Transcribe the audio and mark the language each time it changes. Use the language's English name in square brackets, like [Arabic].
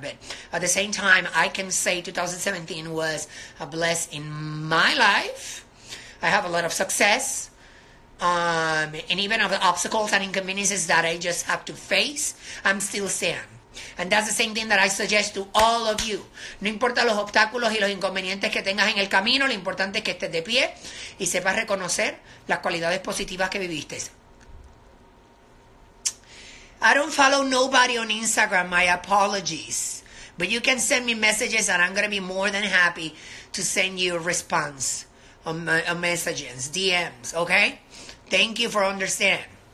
[English] But at the same time, I can say 2017 was a blessing in my life. I have a lot of success. And even of the obstacles and inconveniences that I just have to face, I'm still standing. And that's the same thing that I suggest to all of you. [Spanish] No importa los obstáculos y los inconvenientes que tengas en el camino, lo importante es que estés de pie y sepas reconocer las cualidades positivas que viviste. [English] I don't follow nobody on Instagram, my apologies. But you can send me messages and I'm going to be more than happy to send you a response on messages, DMs, okay? Thank you for understanding.